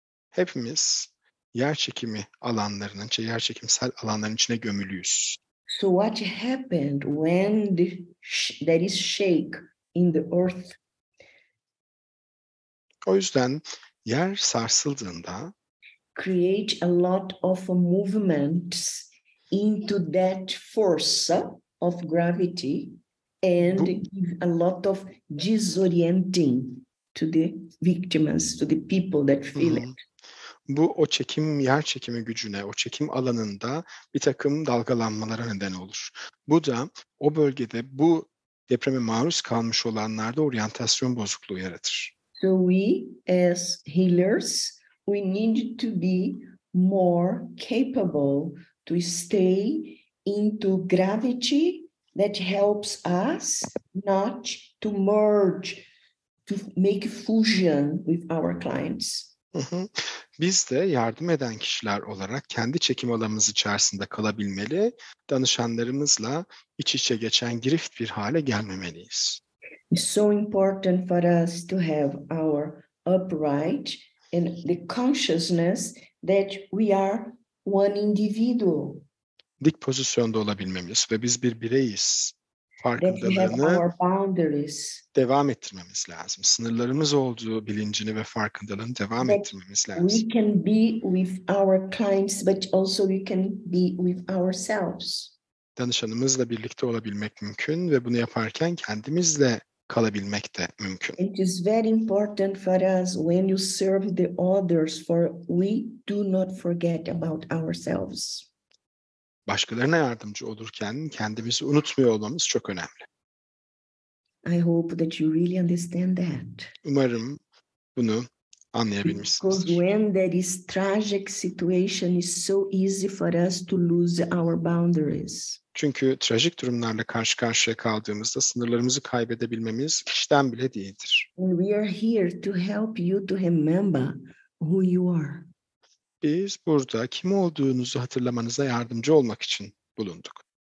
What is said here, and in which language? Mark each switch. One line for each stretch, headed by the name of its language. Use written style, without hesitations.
Turkish: Hepimiz yer çekimi alanlarının, yer çekimsel alanların içine gömülüyüz.
English: So what happened when there is shake in the earth
Turkish: O yüzden yer sarsıldığında
English: create a lot of movements into that force of gravity and give a lot of disorienting to the victims, to the people that feel it.
Turkish: Bu o çekim, yer çekimi gücüne, o çekim alanında bir takım dalgalanmalara neden olur. Bu da o bölgede bu depreme maruz kalmış olanlarda oryantasyon bozukluğu yaratır.
English: So we as healers, we need to be more capable to stay into gravity that helps us not to merge, to make fusion with our clients.
Turkish: Biz de yardım eden kişiler olarak kendi çekim alanımız içerisinde kalabilmeli, danışanlarımızla iç içe geçen grift bir hale gelmemeliyiz.
English: It's so important for us to have our upright and the consciousness that we are one individual.
Turkish: Dik pozisyonda olabilmemiz ve biz bir bireyiz farkındalığını devam ettirmemiz lazım. Sınırlarımız olduğu bilincini ve farkındalığını devam ettirmemiz lazım.
English: We can be with our clients, but also we can be with ourselves.
Turkish: Danışanımızla birlikte olabilmek mümkün ve bunu yaparken kendimizle kalabilmek de mümkün.
English: It is very important for us when you serve the others, for we do not forget about ourselves.
Turkish: Başkalarına yardımcı olurken kendimizi unutmuyor olmamız çok önemli.
English: I hope that you really understand that.
Turkish: Umarım bunu anlayabilmişsinizdir.
English: Because when there is tragic situation, it's so easy for us to lose our boundaries.
Turkish: Çünkü trajik durumlarla karşı karşıya kaldığımızda sınırlarımızı kaybedebilmemiz işten bile değildir.
English: And we are here to help you to remember who you are.
Turkish: Biz burada kim olduğunuzu hatırlamanıza yardımcı olmak için bulunduk.